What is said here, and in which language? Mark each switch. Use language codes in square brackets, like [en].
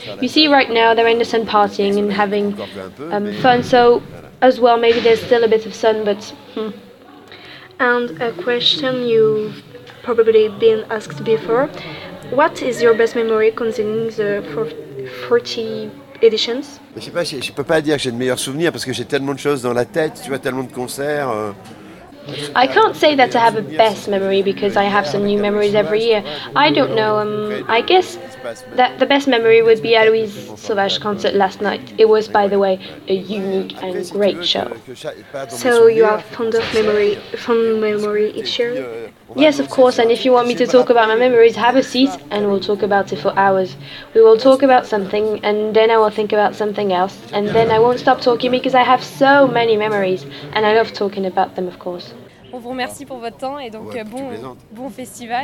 [en] You see, right now they're in the sun partying and having fun, so as well, maybe there's still a bit of sun, but And a question you've probably been asked before, what is your best memory concerning the 40 editions? [fr] Je sais pas, je peux pas dire que j'ai de meilleurs souvenirs parce que j'ai tellement de choses dans la tête, tu vois, tellement de concerts. [en] I can't say that I have a best memory because I have some new memories every year. I don't know, I guess that the best memory would be Aloïs Sauvage concert last night. It was, by the way, a unique and great show. So you have fond memory each year? Yes, of course, and if you want me to talk about my memories, have a seat and we'll talk about it for hours. We will talk about something and then I will think about something else and then I won't stop talking because I have so many memories and I love talking about them, of course. [fr] On vous remercie pour votre temps et donc ouais, bon festival.